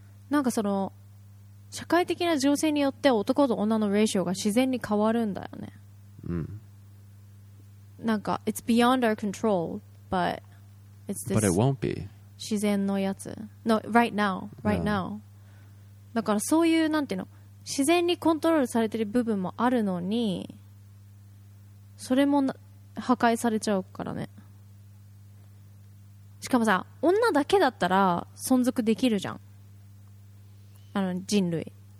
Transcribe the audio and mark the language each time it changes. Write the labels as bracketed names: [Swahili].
[Japanese] なんかその、社会的な情勢によって男と女のレーションが自然に変わるんだよね。うん。なんか、 [English] it's beyond our control, but it's this but it won't be. [Japanese] 自然のやつ。 [English] No, right now, right now. [Japanese] だからそういう、なんていうの自然にコントロールされてる部分もあるのにそれも破壊されちゃうからね。しかもさ、女だけだったら存続できるじゃん、あの人類。